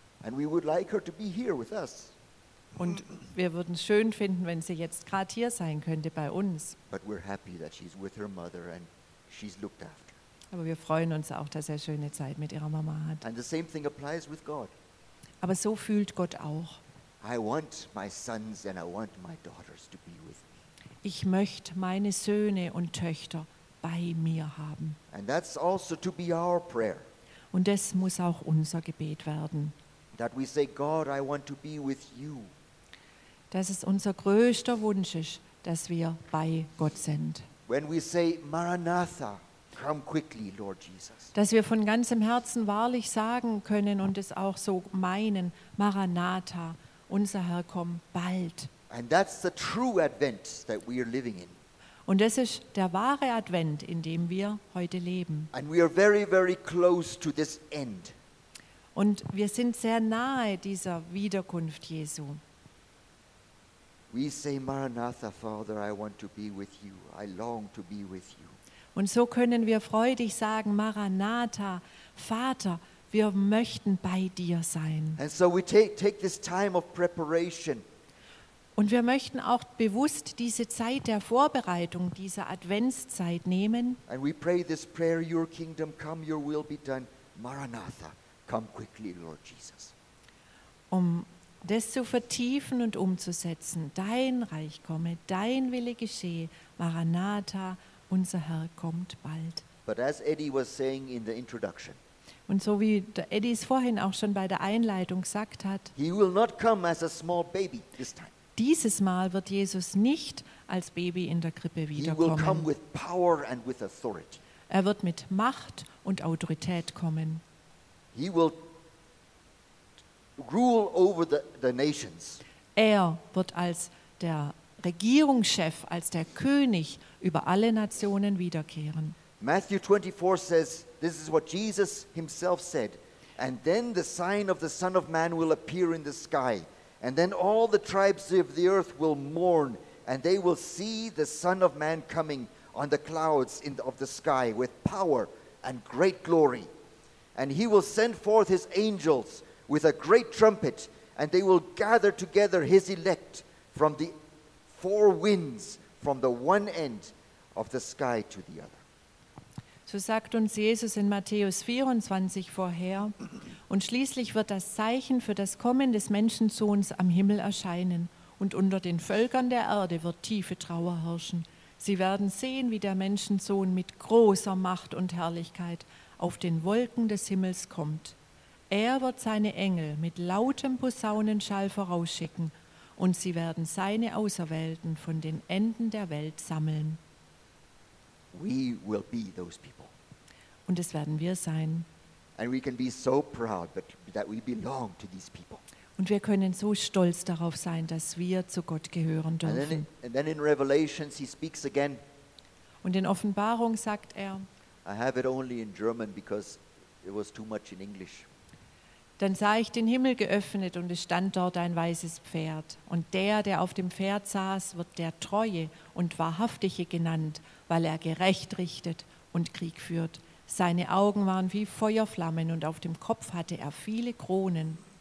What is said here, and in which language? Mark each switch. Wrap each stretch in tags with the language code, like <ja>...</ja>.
<en>And we would like her to be here with us.</en> <de>Und wir würden es schön finden, wenn sie jetzt gerade hier sein könnte bei uns.</de> <en>But we're happy that she's with her mother and she's looked after.</en> <de>Aber wir freuen uns auch, dass er schöne Zeit mit ihrer Mama hat.</de> <en>And the same thing applies with God.</en> <de>Aber so fühlt Gott auch.</de> <en>I want my sons and I want my daughters to be with me.</en> <de>Ich möchte meine Söhne und Töchter bei mir haben.</de> <en>And that's also to be our prayer.</en> <de>Und das muss auch unser Gebet werden.</de> <en>That we say, God, I want to be with you.</en> <de>Dass es unser größter Wunsch ist, dass wir bei Gott sind.</de> <en>When we say, Maranatha, come quickly, Lord Jesus.</en> <de>Dass wir von ganzem Herzen wahrlich sagen können und es auch so meinen, Maranatha, unser Herr, komm bald.</de> <en>And that's the true Advent that we are living in.</en> <de>Und das ist der wahre Advent, in dem wir heute leben.</de> <en>And we are very, very close to this end.</en> <de>Und wir sind sehr nahe dieser Wiederkunft Jesu.</de> <en>We say, Maranatha, Father, I want to be with you. I long to be with you.</en> <de>Und so können wir freudig sagen, Maranatha, Vater, wir möchten bei dir sein.</de> <en>And so we take this time of preparation.</en> <de>Und wir möchten auch bewusst diese Zeit der Vorbereitung, dieser Adventszeit nehmen.</de> <en>And we pray this prayer, your kingdom come, your will be done, Maranatha. Come quickly, Lord Jesus.</en> <de>Um das zu vertiefen und umzusetzen, dein Reich komme, dein Wille geschehe, Maranatha, unser Herr, kommt bald.</de> <en>But as Eddie was saying in the introduction,</en> <de>und so wie Eddie es vorhin auch schon bei der Einleitung gesagt hat,</de> <en>he will not come as a small baby this time.</en> <de>Dieses Mal wird Jesus nicht als Baby in der Krippe wiederkommen.</de> <en>He will come with power and with authority.</en> <de>Er wird mit Macht und Autorität kommen.</de> <en>He will rule over the nations.</en> <de>Er wird als der Regierungschef, als der König über alle Nationen wiederkehren.</de> <en>Matthew 24 says, this is what Jesus himself said, and then the sign of the Son of Man will appear in the sky, and then all the tribes of the earth will mourn, and they will see the Son of Man coming on the clouds of the sky with power and great glory. And he will send forth his angels with a great trumpet, and they will gather together his elect from the four winds, from the one end of the sky to the other.</en> <de>So sagt uns Jesus in Matthäus 24 vorher, und schließlich wird das Zeichen für das Kommen des Menschensohns am Himmel erscheinen, und unter den Völkern der Erde wird tiefe Trauer herrschen. Sie werden sehen, wie der Menschensohn mit großer Macht und Herrlichkeit auf den Wolken des Himmels kommt. Er wird seine Engel mit lautem Posaunenschall vorausschicken und sie werden seine Auserwählten von den Enden der Welt sammeln.</de> <en>We will be those people.</en> <de>Und es werden wir sein.</de> <en>And we can be so proud that we belong to these people.</en> <de>Und wir können so stolz darauf sein, dass wir zu Gott gehören dürfen.</de> <en>And then in Revelations he speaks again.</en> <de>Und in Offenbarung sagt er,</de> <en>I have it only in German because it was too much in English.</en> <de>Dann sah ich den Himmel geöffnet und es stand dort ein weißes Pferd. Und der, der auf dem Pferd saß, wird der Treue und Wahrhaftige genannt, weil er gerecht richtet und Krieg führt. Seine Augen waren wie Feuerflammen und auf dem Kopf hatte er viele Kronen.</de>